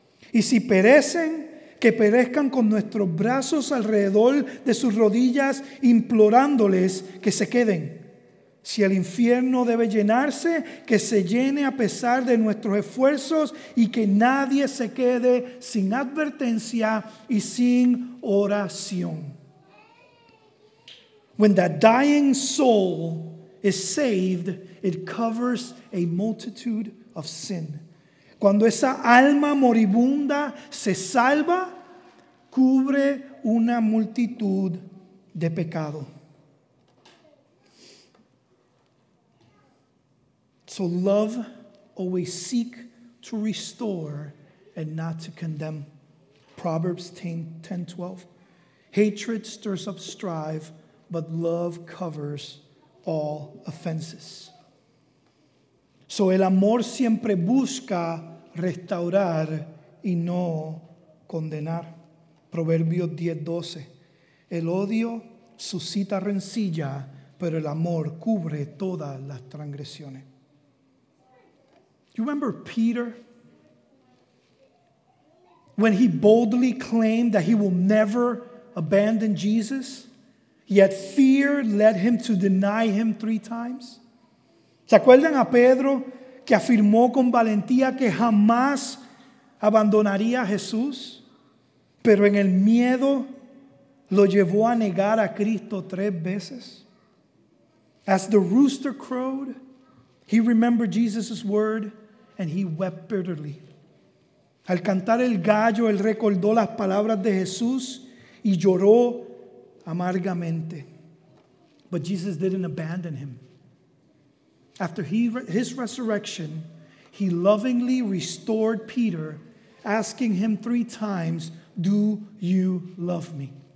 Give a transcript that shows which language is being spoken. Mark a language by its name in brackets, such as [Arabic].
[Spanish] Y si perecen, que perezcan con nuestros brazos alrededor de sus rodillas, implorándoles que se queden. Si el infierno debe llenarse, que se llene a pesar de nuestros esfuerzos y que nadie se quede sin advertencia y sin oración. [English] When that dying soul is saved, it covers a multitude of sin. [Spanish] Cuando esa alma moribunda se salva, cubre una multitud de pecado. [English] So love always seek to restore and not to condemn. Proverbs 10:12. Hatred stirs up strife, but love covers all offenses. [Spanish] So el amor siempre busca restaurar y no condenar. Proverbios 10:12. El odio suscita rencilla, pero el amor cubre todas las transgresiones. [English] You remember Peter? When he boldly claimed that he will never abandon Jesus, yet fear led him to deny him 3 times. [Spanish] ¿Se acuerdan a Pedro que afirmó con valentía que jamás abandonaría a Jesús? Pero en el miedo lo llevó a negar a Cristo 3 veces. [English] As the rooster crowed, he remembered Jesus' word, and he wept bitterly. [Spanish] Al cantar el gallo, él recordó las palabras de Jesús y lloró amargamente. [English] But Jesus didn't abandon him. After his resurrection, he lovingly restored Peter, asking him 3 times, "Do you love me?"